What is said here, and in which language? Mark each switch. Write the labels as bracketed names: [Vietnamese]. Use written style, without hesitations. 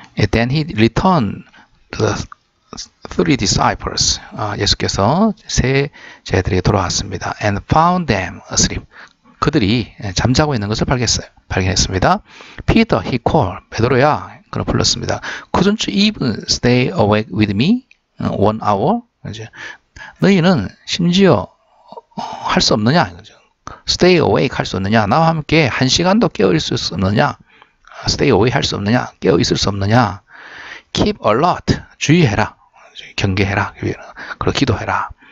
[English] Then he returned to the three disciples. [Korean] 예수께서 세 제자들에게 돌아왔습니다. [English] And found them asleep. [Korean] 그들이 잠자고 있는 것을 발견했습니다. [English] Peter, he called. [Korean] 베드로야. 그는 불렀습니다. [English] Couldn't you even stay awake with me one hour? [Korean] 너희는 심지어 할 수 없느냐? [English] Stay awake [Korean] 할 수 없느냐? 나와 함께 한 시간도 깨어 있을 수 없느냐? [English] Stay awake [Korean] 할 수 없느냐? 깨어 있을 수 없느냐? [English] Keep alert. [Korean] 주의해라. 경계해라. 그리고 기도해라.